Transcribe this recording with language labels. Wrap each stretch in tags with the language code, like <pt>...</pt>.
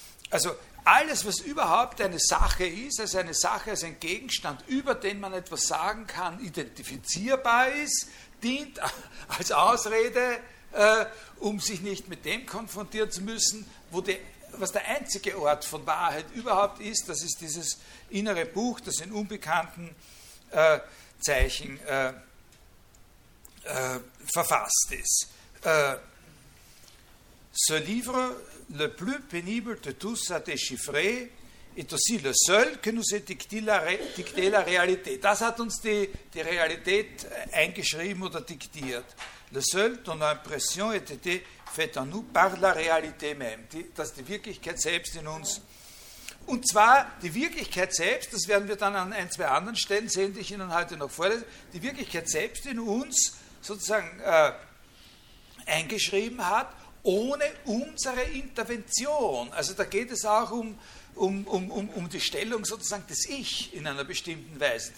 <de>Also alles, was überhaupt eine Sache ist, also eine Sache, als ein Gegenstand, über den man etwas sagen kann, identifizierbar ist, dient als Ausrede, um sich nicht mit dem konfrontieren zu müssen, was der einzige Ort von Wahrheit überhaupt ist, das ist dieses innere Buch, das in unbekannten Zeichen verfasst ist.</de> <fr>Ce livre, le plus pénible de tous à déchiffrer, est aussi le seul que nous ait dicté la réalité.</fr> <de>Das hat uns die Realität eingeschrieben oder diktiert.</de> <fr>Le seul dont l'impression ait été faite en nous par la réalité même.</fr> <de>Dass die Wirklichkeit selbst in uns. Und zwar die Wirklichkeit selbst, das werden wir dann an ein, zwei anderen Stellen sehen, die ich Ihnen heute noch vorlese, die Wirklichkeit selbst in uns sozusagen eingeschrieben hat, ohne unsere Intervention. Also da geht es auch um die Stellung sozusagen des Ich in einer bestimmten Weise.</de>